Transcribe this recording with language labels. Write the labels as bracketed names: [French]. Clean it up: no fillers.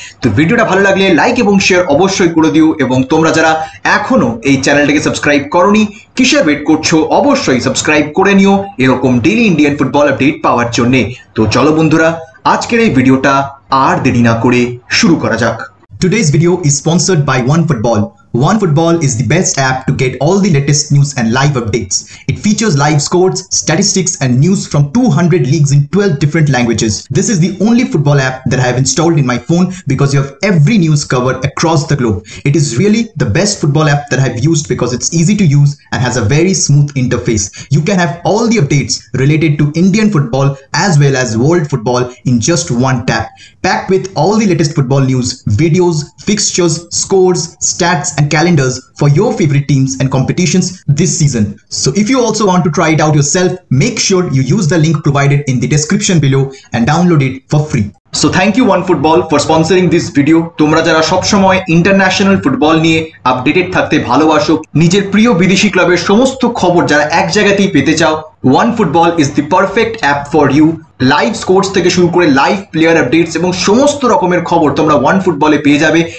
[Bangla] তো ভিডিওটা ভালো লাগলে লাইক এবং শেয়ার অবশ্যই করে দিও, এবং তোমরা যারা এখনো এই চ্যানেলটাকে সাবস্ক্রাইব করনি, কিসে ওয়েট করছো, অবশ্যই সাবস্ক্রাইব করে নিও এরকম ডেলি ইন্ডিয়ান ফুটবল আপডেট পাওয়ার জন্যে। তো চলো বন্ধুরা, আজকের এই ভিডিওটা আর দেরি না করে শুরু করা যাক। [English] Today's video is sponsored by One Football. One Football is the best app to get all the latest news and live updates. It features live scores, statistics and news from 200 leagues in 12 different languages. This is the only football app that I have installed in my phone because you have every news covered across the globe. It is really the best football app that I have used because it's easy to use and has a very smooth interface. You can have all the updates related to Indian football as well as world football in just one tap. Packed with all the latest football news, videos, fixtures, scores, stats and calendars for your favorite teams and competitions this season. So if you also want to try it out yourself, make sure you use the link provided in the description below and download it for free. So thank you One Football for sponsoring this video. [Bangla] তোমরা যারা সবসময় international football নিয়ে updated থাকতে ভালোবাসো, নিজের প্রিয় বিদেশি ক্লাবের সমস্ত খবর যারা এক জায়গাতেই পেতে চাও, [English] One Football is the perfect app for you. [Bangla] Live scores থেকে শুরু করে লাইভ প্লেয়ার আপডেটস এবং সমস্ত রকমের খবর তোমরা One Football-এ পেয়ে যাবে।